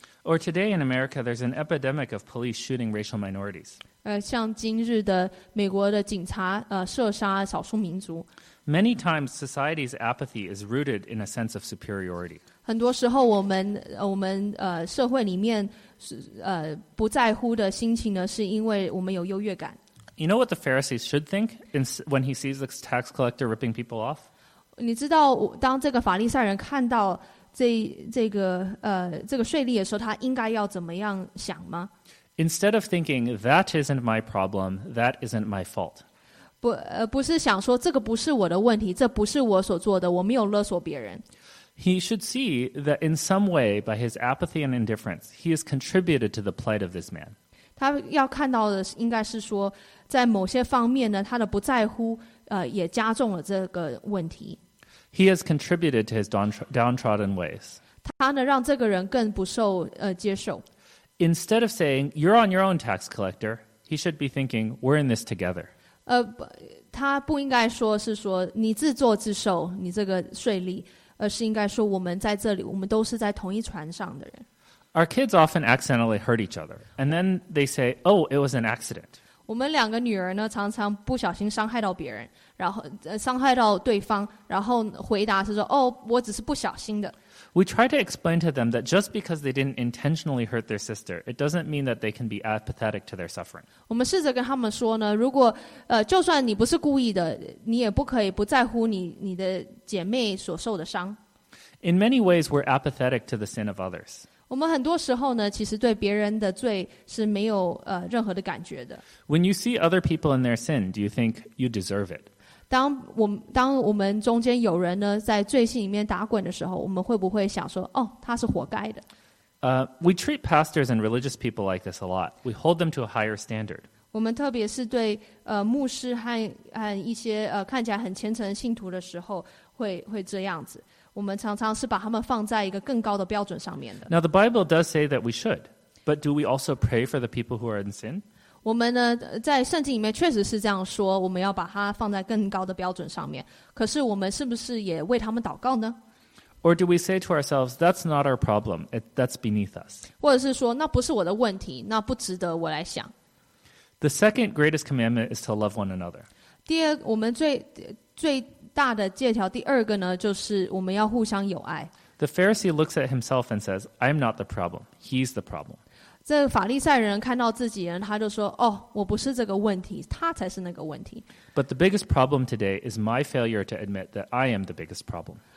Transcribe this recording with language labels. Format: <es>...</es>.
<en>Or today in America, there's an epidemic of police shooting racial minorities.</en> <zh>像今日的美国的警察射杀少数民族。</zh> <en>Many times society's apathy is rooted in a sense of superiority.</en> <zh>很多时候我们社会里面不在乎的心情呢，是因为我们有优越感。</zh> <en>You know what the Pharisees should think when he sees this tax collector ripping people off?</en> <zh>你知道当这个法利赛人看到这个税吏的时候，他应该要怎么样想吗？</zh> <en>Instead of thinking, that isn't my problem, that isn't my fault.</en> <zh>不是想说这个不是我的问题，这不是我所做的，我没有勒索别人。</zh> <en>He should see that in some way, by his apathy and indifference, he has contributed to the plight of this man.</en> <zh>他要看到的应该是说，在某些方面呢，他的不在乎，也加重了这个问题。</zh> <en>He has contributed to his downtrodden ways.</en> <zh>他呢，让这个人更不受接受。</zh> <en>Instead of saying, you're on your own, tax collector, he should be thinking, we're in this together.</en> <zh>他不应该说是说你自作自受，你这个税吏。而是应该说我们在这里，我们都是在同一船上的人。</zh> <en>Our kids often accidentally hurt each other, and then they say, oh, it was an accident.</en> <zh>我们两个女儿呢，常常不小心伤害到别人，然后伤害到对方，然后回答是说，哦，我只是不小心的。</zh> <en>We try to explain to them that just because they didn't intentionally hurt their sister, it doesn't mean that they can be apathetic to their suffering.</en> <zh>我们试着跟他们说呢，如果就算你不是故意的，你也不可以不在乎你的姐妹所受的伤。</zh> <en>In many ways, we're apathetic to the sin of others.</en> <zh>我们很多时候呢，其实对别人的罪是没有任何的感觉的。</zh> <en>When you see other people in their sin, do you think you deserve it?</en> <zh>当我们中间有人呢在罪性里面打滚的时候，我们会不会想说，哦，他是活该的？</zh> <en>We treat pastors and religious people like this a lot. We hold them to a higher standard.</en> <zh>我们特别是对牧师和一些看起来很虔诚的信徒的时候，会这样子。我们常常是把他们放在一个更高的标准上面的。</zh> <en>Now the Bible does say that we should, but do we also pray for the people who are in sin?</en> <zh>我们呢，在圣经里面确实是这样说，我们要把它放在更高的标准上面。可是我们是不是也为他们祷告呢？</zh> <en>Or do we say to ourselves, that's not our problem, that's beneath us?</en> <zh>或者是说，那不是我的问题，那不值得我来想。</zh> <en>The second greatest commandment is to love one another.</en> <zh>第二，我们最大的诫条，第二个呢，就是我们要互相友爱。</zh> <en>The Pharisee looks at himself and says, I'm not the problem, he's the problem.</en> <zh>这法利赛人看到自己人，他就说：“哦，我不是这个问题，他才是那个问题。”</zh> <en>But the biggest problem today is my failure to admit that I am the biggest problem.</en>